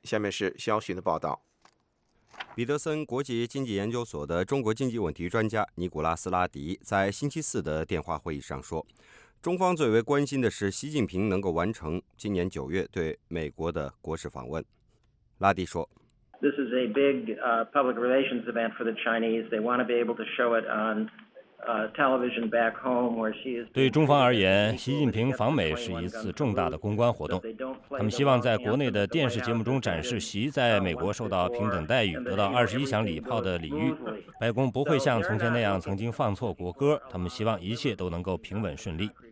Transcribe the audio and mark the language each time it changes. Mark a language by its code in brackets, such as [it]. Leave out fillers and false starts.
[zh] 下面是肖洵的报道。彼得森国际经济研究所的中国经济问题专家尼古拉斯·拉迪在星期四的电话会议上说，中方最为关心的是习近平能够完成今年九月对美国的国事访问。拉迪说， [en] This is a big public relations event for the Chinese. They want to be able to show it on television back home, where she is. [zh] 对中方而言，习近平访美是一次重大的公关活动。他们希望在国内的电视节目中展示习在美国受到平等待遇、得到21响礼炮的礼遇。白宫不会像从前那样曾经放错国歌。他们希望一切都能够平稳顺利。